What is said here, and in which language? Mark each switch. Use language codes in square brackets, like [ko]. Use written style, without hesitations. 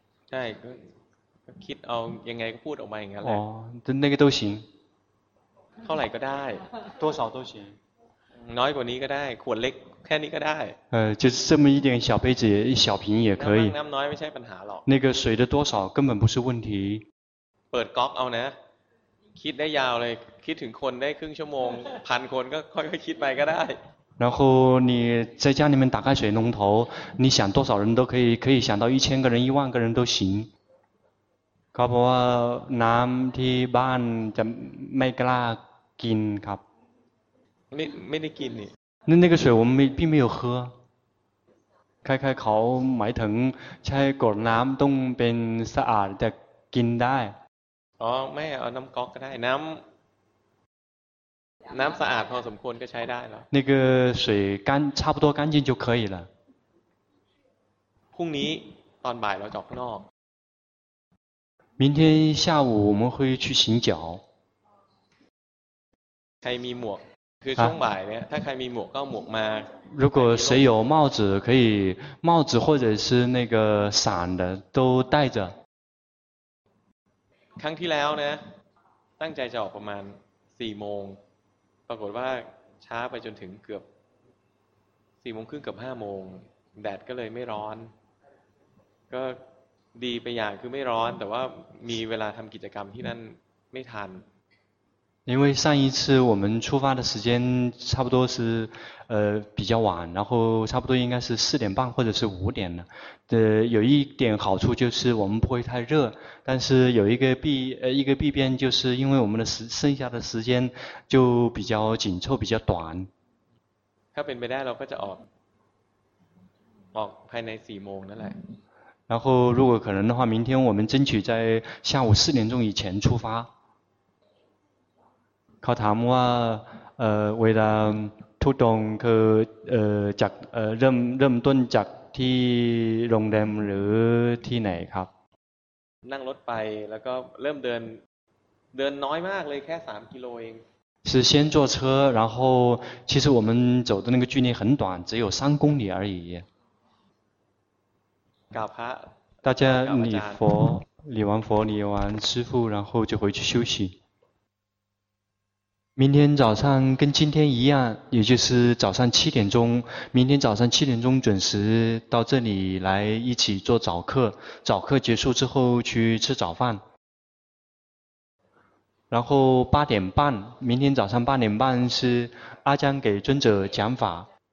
[zh] 对， [th] คิดเอายังไงก็พูดออกมาอย่างนั้นแหละ。 [zh] 哦，那个都行。 [th] เท่าไหร่ก็ได้。 [zh] 多少都行。 [th] น้อยกว่านี้ก็ได้ขวดเล็กแค่นี้ก็ได้ [zh] 就这么一点小杯子小瓶也可以 [th] น้ำน้อยไม่ใช่ปัญหาหรอก [zh] 那个水的多少根本不是问题 [th] เปิดก๊อกเอานะคิดได้ยาวเลยคิดถึงคนได้ครึ่งชั่วโมง พันคนก็ค่อยๆคิดไปก็ได้ [zh] 然后你在家里面打开水龙头你想多少人都可以想到一千个人一万个人都行 [th] เขาบอกว่าน้ำที่บ้านจะไม่กล้ากินครับ ไม่ได้กินนี่ [zh] 那个水我们并没有喝开开 [th] เขาหมายถึงใช้กดน้ำต้องเป็นสะอาดจะกินได้อ๋อไม่เอาน้ำก๊อกก็ได้น้ำสะอาดพอสมควรก็ใช้ได้แล้ว [zh] 那个水干差不多干净就可以了 [th] พรุ่งนี้ตอนบ่ายเราจะออกข้างนอก [zh] 明天下午我们会去行脚 [th] ใครมีหมวกคือช่วงบ่ายเนี่ยถ้าใครมีหมวกก็เอาหมวกมา [zh] 如果谁有帽子可以帽子或者是那个伞的都带着 [th] ครั้งที่แล้วนะตั้งใจจะออกประมาณ4โมงปรากฏว่าช้าไปจนถึงเกือบ4โมงครึ่งเกือบ5โมงแดดก็เลยไม่ร้อนก็ดีไปอย่างคือไม่ร้อนแต่ว่ามีเวลาทำกิจกรรมที่นั่นไม่ทัน [zh] 因为上一次我们出发的时间差不多是比较晚然后差不多应该是四点半或者是五点了有一点好处就是我们不会太热但是有一个弊病就是因为我们的剩下的时间就比较紧凑比较短 [th] ถ้าเป็นไปได้เราก็จะออกภายใน4โมงนั่นแหละ [zh] 然后如果可能的话明天我们争取在下午四点钟以前出发 [th] เขาถามว่าเวลาทุดงคือจากเริ่มต้นจากที่โรงแรมหรือที่ไหนครับ นั่งรถไปแล้วก็เริ่มเดินน้อยมากเลยแค่3กิโลเอง [zh] 是先坐车然后其实我们走的那个距离很短只有3公里而已 [th] กราบพระ [zh] 大家礼佛礼完佛礼完师父然后就回去休息明天早上跟今天一样也就是早上七点钟明天早上七点钟准时到这里来一起做早课早课结束之后去吃早饭然后八点半明天早上八点半是阿江给尊者讲法